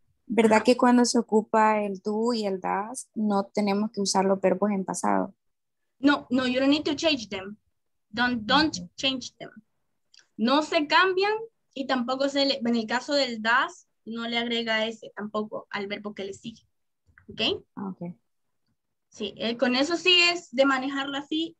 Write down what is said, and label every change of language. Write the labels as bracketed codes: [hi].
[es] ¿Verdad que cuando se ocupa el do y el does, no tenemos que usar los verbos en pasado? [en] No, you don't need to change them. Don't change them. [es] No se cambian Y tampoco se le, en el caso del does, no le agrega ese tampoco al verbo que le sigue. ¿Ok? Ok. Sí, con eso sí es de manejarlo así.